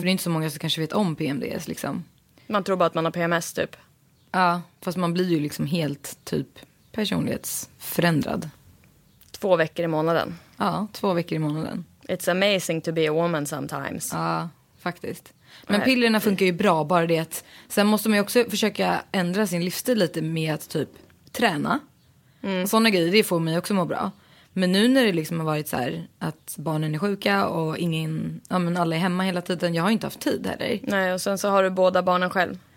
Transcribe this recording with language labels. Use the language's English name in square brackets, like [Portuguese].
[Swedish] För det är inte så många som kanske vet om PMDS liksom. Man tror bara att man har PMS typ. Ja, fast man blir ju liksom helt typ personlighetsförändrad. 2 veckor i månaden. Ja, 2 veckor i månaden. [English] It's amazing to be a woman sometimes. [Swedish] Ja, faktiskt. Men pillerna funkar ju bra, bara det att... Sen måste man ju också försöka ändra sin livsstil lite med att typ träna. Mm. Sådana grejer, det får mig också må bra. Men nu när det liksom har varit så här att barnen är sjuka och ingen... Ja, men alla är hemma hela tiden. Jag har inte haft tid heller. Nej, och sen så har du båda barnen själv.